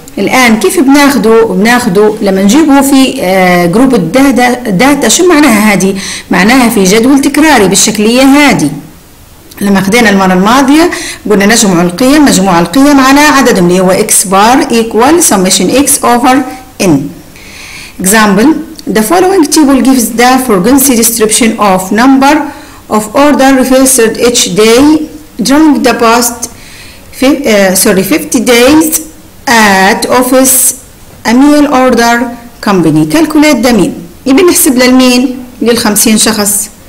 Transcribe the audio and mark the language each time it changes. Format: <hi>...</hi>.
<ar>الآن كيف بناخده؟ بناخده لما نجيبه في جروب الداتا. شو معناها هذه؟ معناها في جدول تكراري بالشكلية هذه. لما خدينا المرة الماضية قلنا نجمع القيم، مجموع القيم على عددهم اللي هو</ar> <en>x bar equal summation x over n. Example: The following table gives the frequency distribution of number of order registered each day during the past 50 days at office a meal order company. Calculate the mean.</en> <ar>يبي نحسب للمين؟ للخمسين شخص.</ar>